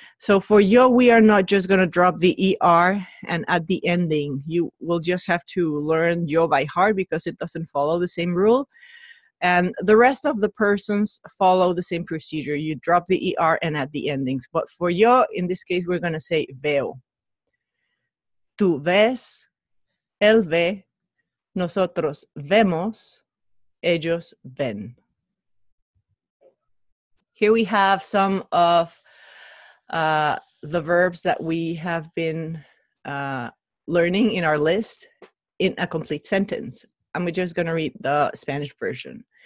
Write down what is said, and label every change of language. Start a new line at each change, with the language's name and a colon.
English: So for yo, we are not just going to drop the ER and add the ending. You will just have to learn yo by heart because it doesn't follow the same rule. And the rest of the persons follow the same procedure. You drop the ER and add the endings. But for yo, in this case, we're going to say veo.
Spanish: Tú ves, él ve, nosotros vemos, ellos ven.
English: Here we have some of the verbs that we have been learning in our list in a complete sentence. I'm just going to read the Spanish version.